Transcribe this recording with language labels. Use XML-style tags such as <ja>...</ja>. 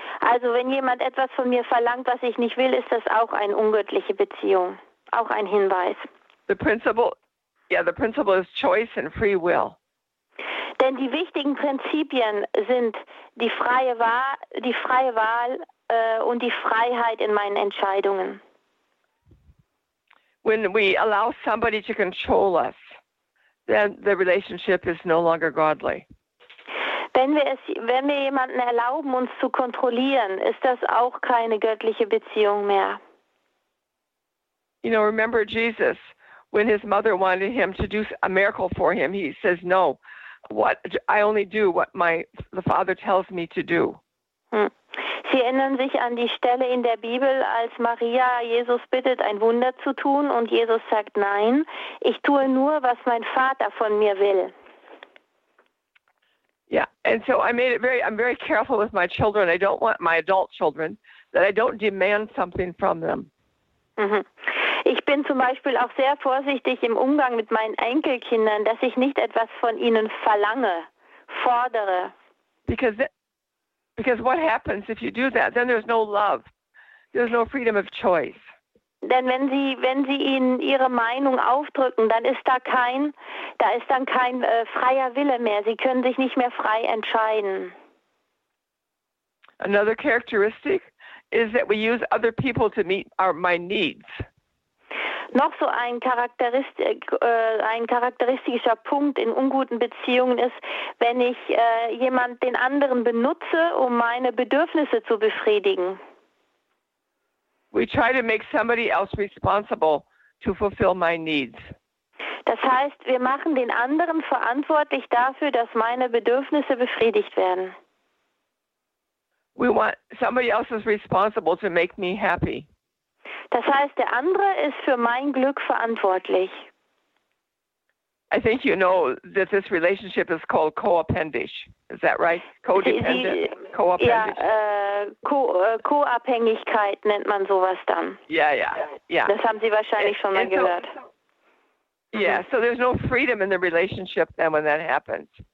<de>Also wenn jemand etwas von mir verlangt, was ich nicht will, ist das auch eine ungöttliche Beziehung, auch ein Hinweis.</de> <en>The principle is choice and free will.</en> <de>Denn die wichtigen Prinzipien sind die freie Wahl und die Freiheit in meinen Entscheidungen.</de> <en>When we allow somebody to control us, then the relationship is no longer godly.</en> <de>Wenn wir jemanden erlauben, uns zu kontrollieren, ist das auch keine göttliche Beziehung mehr.</de> <en>You know, remember Jesus, when his mother wanted him to do a miracle for him, he says, no, I only do what the Father tells me to do.</en> <de>Sie erinnern sich an die Stelle in der Bibel, als Maria Jesus bittet, ein Wunder zu tun, und Jesus sagt, nein, ich tue nur, was mein Vater von mir will.</de> <en>Yeah, and so I'm very careful with my children. I don't want my adult children, that I don't demand something from them. Mm-hmm.</en> <de>Ich bin zum Beispiel auch sehr vorsichtig im Umgang mit meinen Enkelkindern, dass ich nicht etwas von ihnen verlange, fordere.</de> <en>Because what happens if you do that? Then there's no love. There's no freedom of choice.</en> <de>Denn wenn sie ihnen ihre Meinung aufdrücken, dann ist dann kein freier Wille mehr. Sie können sich nicht mehr frei entscheiden.</de> <en>Another characteristic is that we use other people to meet my needs.</en> <de>Noch so ein charakteristischer Punkt in unguten Beziehungen ist, wenn ich jemanden, den anderen benutze, um meine Bedürfnisse zu befriedigen.</de> <en>We try to make somebody else responsible to fulfill my needs.</en> <de>Das heißt, wir machen den anderen verantwortlich dafür, dass meine Bedürfnisse befriedigt werden.</de> <en>We want somebody else is responsible to make me happy.</en> <de>Das heißt, der andere ist für mein Glück verantwortlich.</de> <en>I think you know that this relationship is called co-appendish. Is that right? Codependent, co-appendish.</en> <de>Ja, Co-Abhängigkeit nennt man sowas dann.</de> <en>Yeah.</en> <de>Das haben Sie wahrscheinlich schon mal gehört.</de> <en>So there's no freedom in the relationship then when that happens.</en>